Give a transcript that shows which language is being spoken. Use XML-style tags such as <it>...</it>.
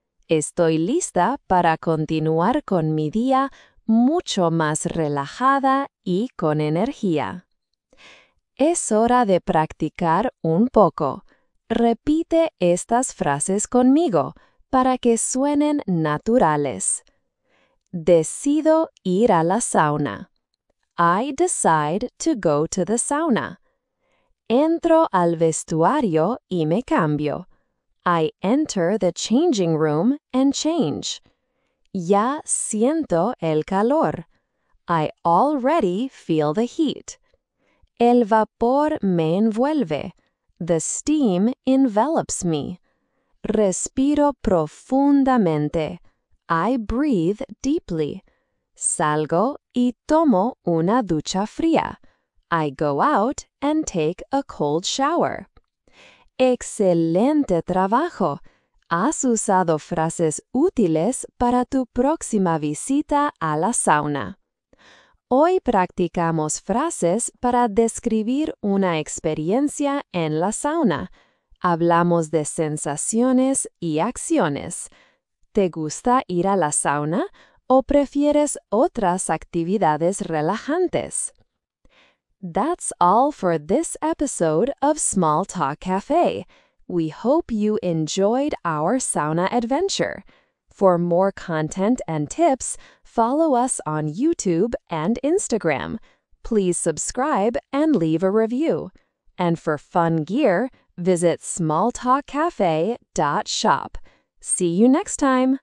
<es>Estoy lista para continuar con mi día mucho más relajada y con energía. Es hora de practicar un poco. Repite estas frases conmigo para que suenen naturales. Decido ir a la sauna.</es> <en>I decide to go to the sauna.</en> <es>Entro al vestuario y me cambio.</es> <en>I enter the changing room and change.</en> <es>Ya siento el calor.</es> <en>I already feel the heat.</en> <es>El vapor me envuelve.</es> <en>The steam envelops me.</en> <es>Respiro profundamente.</es> <en>I breathe deeply.</en> <es>Salgo y tomo una ducha fría.</es> <en>I go out and take a cold shower.</en> <es>¡Excelente trabajo! ¿Has usado frases útiles para tu próxima visita a la sauna? Hoy practicamos frases para describir una experiencia en la sauna. Hablamos de sensaciones y acciones. ¿Te gusta ir a la sauna o prefieres otras actividades relajantes?</es> <en>That's all for this episode of Small Talk Cafe. We hope you enjoyed our sauna adventure. For more content and tips, follow us on YouTube and Instagram. Please subscribe and leave a review. And for fun gear, visit smalltalkcafe.shop. See you next time!</en>